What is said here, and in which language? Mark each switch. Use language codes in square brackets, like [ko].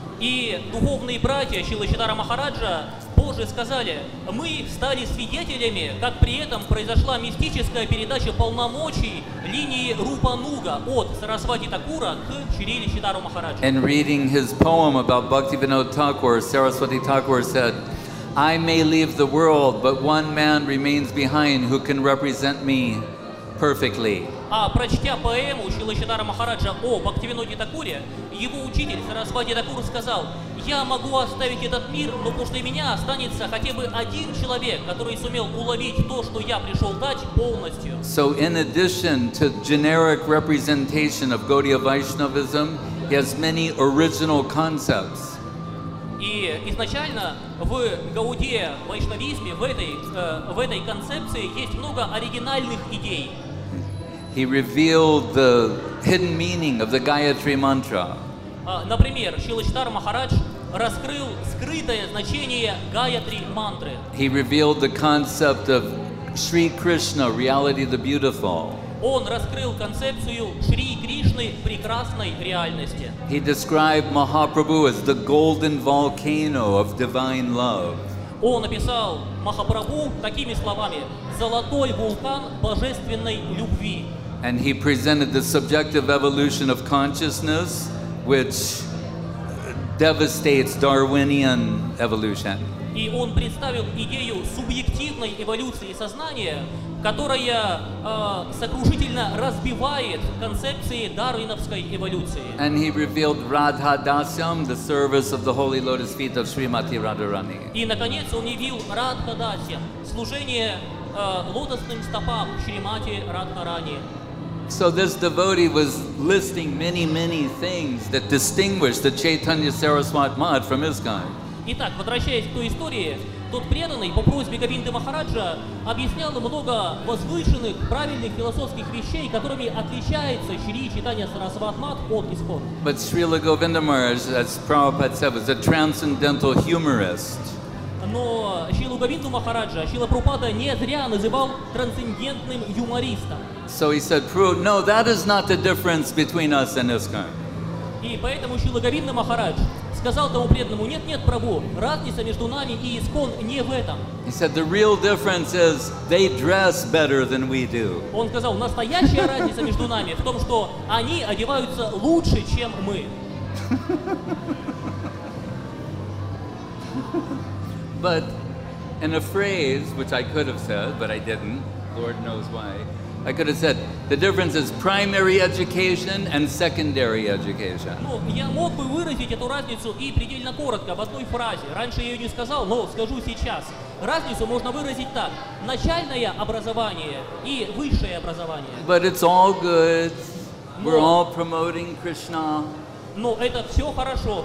[ru] И духовные братья Шрилы Шридхара Махараджа позже сказали, мы стали свидетелями, как при этом произошла мистическая передача полномочий линии Рупа Нуга от Сарасвати Такура к Шриле Шридхару Махараджу. [en] And reading his poem about Bhaktivinoda Thakur, Saraswati Thakur said, I may leave the world, but one man remains behind who can represent me perfectly. [ru] А прочтя поэму Шрилы Шридхара Махараджа о Бхактивиноде Такуре, его учитель Сарасвати Такур сказал, я могу оставить этот мир, но после меня останется хотя бы один человек, который сумел уловить то, что я пришел дать полностью. [en] So in addition to generic representation of Gaudiya Vaishnavism, he has many original concepts. [ru] И изначально в Гаудия Вайшнавизме, в этой концепции есть много оригинальных идей. [en] He revealed the hidden meaning of the Gayatri Mantra. [ru] Например, Шрила Шридхар Махарадж раскрыл скрытое значение Гаятри Мантры. [en] He revealed the concept of Shri Krishna, reality of the beautiful. [ru] Он раскрыл концепцию Шри Кришны прекрасной реальности. [en] He described Mahaprabhu as the golden volcano of divine love. [ru] Он описал Махапрабху такими словами: золотой вулкан божественной любви. [en] And he presented the subjective evolution of consciousness, which devastates Darwinian evolution. [ru] И он представил идею субъективной эволюции сознания, которая сокрушительно разбивает концепции дарвиновской эволюции. [en] And he revealed Radha Dasyam, the service of the holy lotus feet of Srimati Radharani. [ru] И наконец он явил Радха Дасьям, служение лотосным стопам Шримати Радхарани. [en] So this devotee was listing many, many things that distinguish the Chaitanya Saraswat Mat from ISKCON. [ru] Итак, возвращаясь к той истории, тот преданный по просьбе Говинды Махараджа объяснял много возвышенных, правильных философских вещей, которыми отличается Шри Чайтанья Сарасват Мат от ИСККОН. [en] But Srila Govinda Maharaj, as Prabhupada said, was a transcendental humorist. [ru] Но Шрилу Говинду Махараджа Шрила Прабхупада не зря называл трансцендентным юмористом. [en] So he said, Prabhu, no, that is not the difference between us and ISKCON. [ru] И поэтому Шрила Говинда Махарадж сказал тому преданному, нет, Прабху, разница между нами и ИСККОН не в этом. [en] He said, the real difference is they dress better than we do. [ru] Он сказал, настоящая разница между нами в том, что они одеваются лучше, чем мы. [en] But in a phrase, which I could have said, but I didn't, Lord knows why, I could have said, the difference is primary education and secondary education. [ru] Ну, я мог бы выразить эту разницу и предельно коротко, в одной фразе. Раньше я ее не сказал, но скажу сейчас. Разницу можно выразить так. Начальное образование и высшее образование. [en] But it's all good. We're all promoting Krishna. [ru] Но это все хорошо.